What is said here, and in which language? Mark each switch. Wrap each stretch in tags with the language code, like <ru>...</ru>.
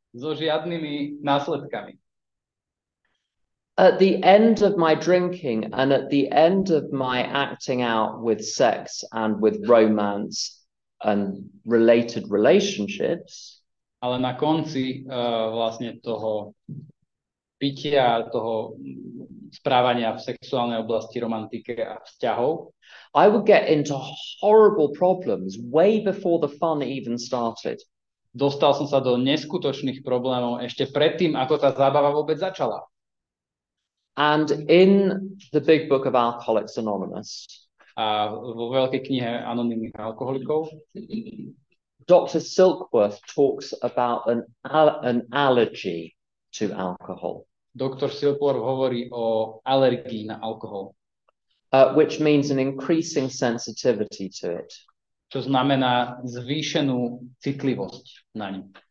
<sk>So žiadnymi následkami.</sk> <en>At the end of my drinking and at the end of my acting out with sex and with romance and related relationships.</en> <sk>Ale na konci vlastne toho pitia, toho správania v sexuálnej oblasti, romantike a vzťahov.</sk> <en>I would get into horrible problems way before the fun even started.</en> <sk>Dostal som sa do neskutočných problémov ešte predtým, ako tá zábava vôbec začala.</sk> <en>And in the big book of Alcoholics Anonymous,</en> <sk>a vo veľkej knihe anonymných alkoholikov,</sk> <en>Dr. Silkworth talks about an allergy to alcohol.</en> <sk>Dr. Silkworth hovorí o alergii na alkohol.</sk> <en>Which means an increasing sensitivity to it.</en> <sk>Čo znamená zvýšenú citlivosť na ňu.</sk>